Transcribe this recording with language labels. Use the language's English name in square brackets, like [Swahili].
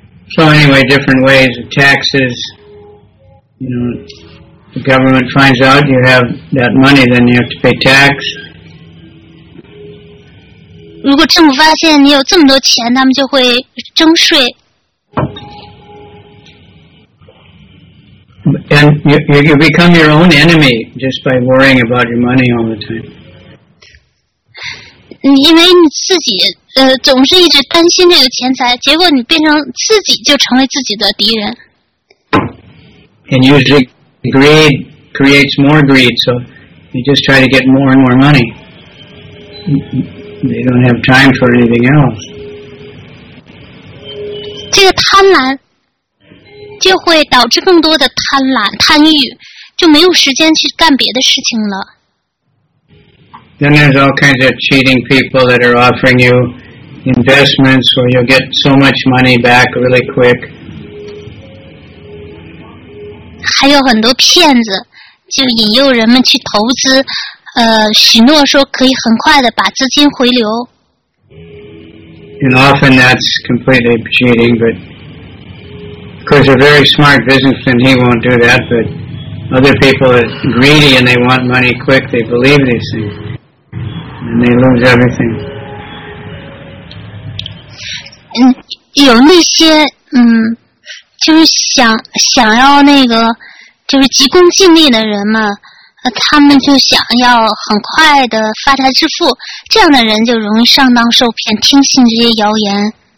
[English] So anyway, different ways of taxes, you know, the government finds out you have that money, then you have to pay tax. [Chinese] 如果政府发现你有这么多钱，他们就会征税。 [English] And you become your own enemy just by worrying about your money all the time. [Chinese] 因为你自己总是一直担心这个钱财，结果你变成自己就成为自己的敌人。 [English] And usually greed creates more greed, so you just try to get more and more money. They don't have time for anything else. [Chinese] 这个贪婪就会导致更多的贪婪、贪欲，就没有时间去干别的事情了。 [English] Then there's all kinds of cheating people that are offering you investments where you'll get so much money back really quick. [Chinese] 还有很多骗子就引诱人们去投资。许诺说可以很快的把资金回流。 [English] And often that's completely cheating, but because a very smart businessman, he won't do that, but other people are greedy and they want money quick, they believe these things, and they lose everything. [Chinese] 有那些就是想要那个就是急功近利的人嘛，他们就想要很快的发财致富，这样的人就容易上当受骗，听信这些谣言。